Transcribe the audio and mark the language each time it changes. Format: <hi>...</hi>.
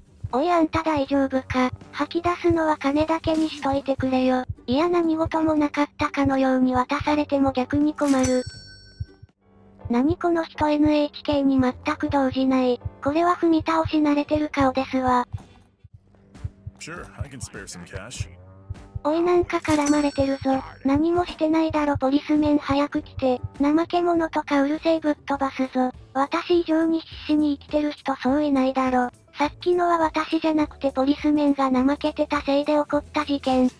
<ja>おい、あんた大丈夫か。吐き出すのは金だけにしといてくれよ。いや、何事もなかったかのように渡されても逆に困る。何この人、 NHK に全く動じない。これは踏み倒し慣れてる顔ですわ。</ja> <en>Sure, I can spare some cash.</en> <ja>おい、なんか絡まれてるぞ。何もしてないだろポリスメン、早く来て。怠け者とかうるせえ、ぶっ飛ばすぞ。私以上に必死に生きてる人そういないだろ。さっきのは私じゃなくてポリスメンが怠けてたせいで起こった事件。</ja>